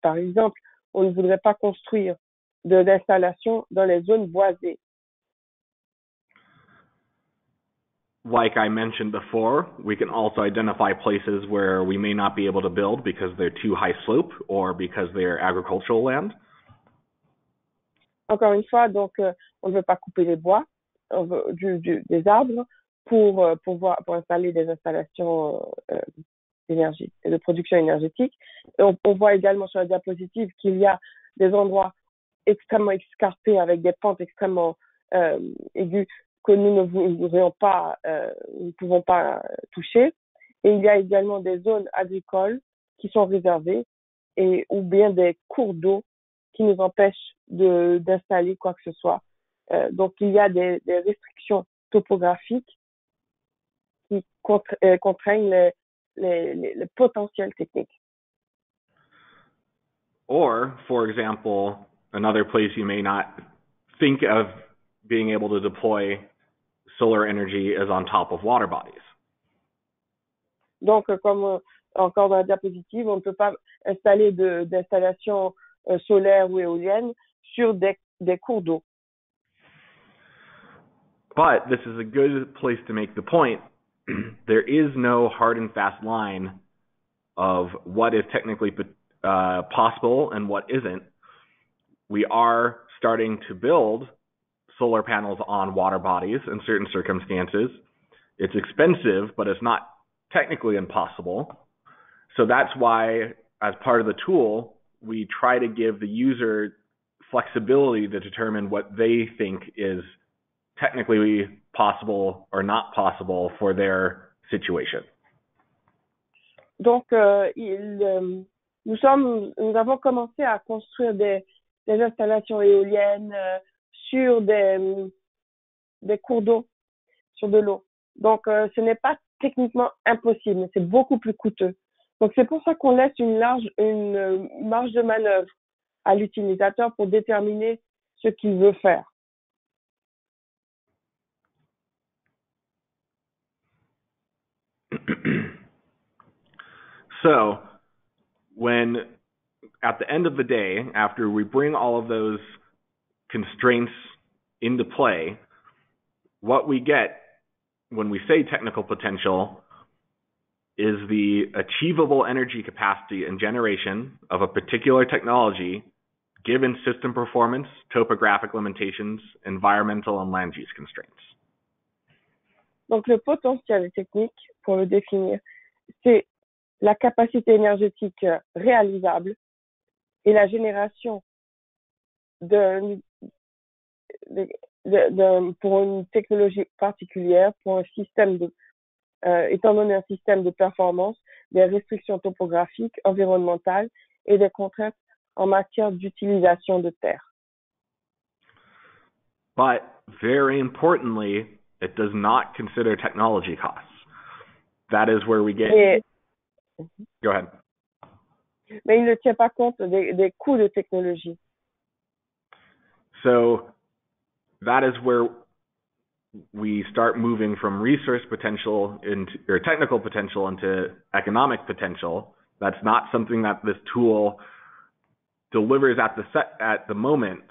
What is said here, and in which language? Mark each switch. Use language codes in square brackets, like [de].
[fr] Par exemple, on ne voudrait pas construire d'installation dans les zones boisées. [en] Like I mentioned before, we can also identify places where we may not be able to build because they're too high slope or because they're agricultural land. [fr] Encore une fois, donc, on ne veut pas couper les bois, on veut des arbres pour installer des installations d'énergie et de production énergétique. Et on voit également sur la diapositive qu'il y a des endroits extrêmement escarpés avec des pentes extrêmement aiguës que nous ne voudrions pas, nous ne pouvons pas toucher. Et il y a également des zones agricoles qui sont réservées et ou bien des cours d'eau qui nous empêchent d'installer quoi que ce soit. Donc, il y a des restrictions topographiques qui contraignent les potentiels techniques. [en] Or, for example, another place you may not think of being able to deploy solar energy is on top of water bodies. [fr] Donc, comme encore dans la diapositive, on ne peut pas installer d'installations solaires ou éoliennes sur des cours d'eau. [en] But this is a good place to make the point. There is no hard and fast line of what is technically possible and what isn't. We are starting to build solar panels on water bodies in certain circumstances. It's expensive, but it's not technically impossible. So that's why, as part of the tool, we try to give the user flexibility to determine what they think is technically possible or not possible for their situation. [fr] Donc, nous avons commencé à construire des installations éoliennes sur des cours d'eau, sur de l'eau. Donc, ce n'est pas techniquement impossible, mais c'est beaucoup plus coûteux. Donc, c'est pour ça qu'on laisse une marge de manœuvre à l'utilisateur pour déterminer ce qu'il veut faire. [en] So, when at the end of the day, after we bring all of those constraints into play, what we get when we say technical potential is the achievable energy capacity and generation of a particular technology given system performance, topographic limitations, environmental and land use constraints. [fr] Donc, le potentiel technique, pour le définir, c'est la capacité énergétique réalisable et la génération pour une technologie particulière, pour un système de, étant donné un système de performance, des restrictions topographiques, environnementales et des contraintes en matière d'utilisation de terre. [en] But very importantly, it does not consider technology costs. That is where we get. Go ahead. [fr] Mais il ne tient pas compte des coûts de technologie. [en] So that is where we start moving from resource potential into or technical potential into economic potential. That's not something that this tool delivers at the moment.